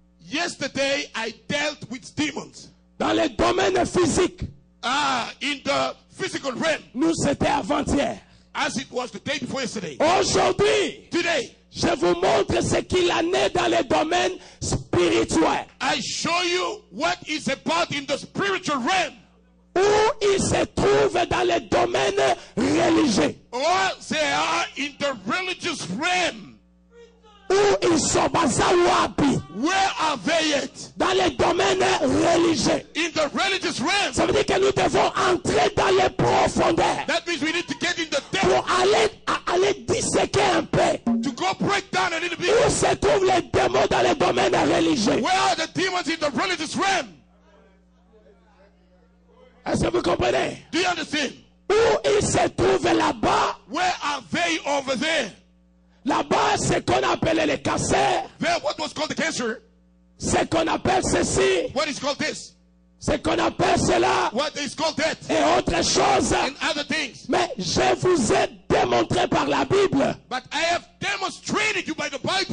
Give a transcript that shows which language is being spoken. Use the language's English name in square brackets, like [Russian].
[English] Yesterday, I dealt with demons. [French] Dans le domaine physique. [English] Ah, in the physical realm. [French] Nous c'était avant-hier. [English] As it was the day before yesterday. [French] Aujourd'hui. [English] Today. [French] Je vous montre ce qu'il en est dans le domaine spirituel. [English] I show you what is about in the spiritual realm. [French] Où il se trouve dans le domaine religieux. [English] Or they are in the religious realm. [French] Où ils sont basés ou habillés? [English] Where are they at? [French] Dans les domaines religieux. [English] In the religious realm. [French] Ça veut dire que nous devons entrer dans les profondeurs. [English] That means we need to get in the depth. [French] Pour aller disséquer un peu. [English] To go break down a little bit. [French] Où se trouvent les démons dans les domaines religieux? [English] Where are the demons in the religious realm? [French] Est-ce que vous comprenez? [English] Do you understand? [French] Où ils se trouvent là-bas? [English] Where are they over there? [French] Là-bas, ce qu'on appelait les cancers. [English] There, what was called the cancer? [French] Ce qu'on appelle ceci. [English] What is called this? [French] Ce qu'on appelle cela. [English] What is called that? [French] Et autre chose. [English] And other things. [French] Mais je vous ai démontré par la Bible. [English] But I have demonstrated you by the Bible.